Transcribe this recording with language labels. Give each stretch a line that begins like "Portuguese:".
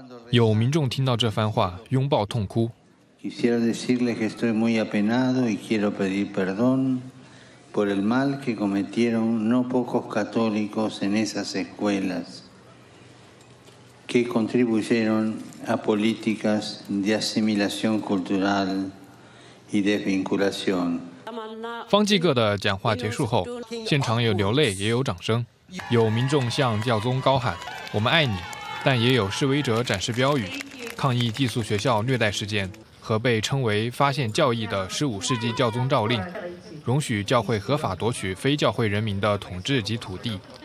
Chinese: 有民众听到这番话拥抱痛哭。
Spanish: Quisiera decirles que estoy muy apenado y quiero pedir perdón por el mal que cometieron no pocos católicos en esas escuelas que contribuyeron a políticas de asimilación cultural y desvinculación.
Chinese: 方济各的讲话结束后，现场有流泪，也有掌声。有民众向教宗高喊“我们爱你”，但也有示威者展示标语，抗议寄宿学校虐待事件。和被称为发现教义的15世纪教宗诏令，容许教会合法夺取非教会人民的统治及土地。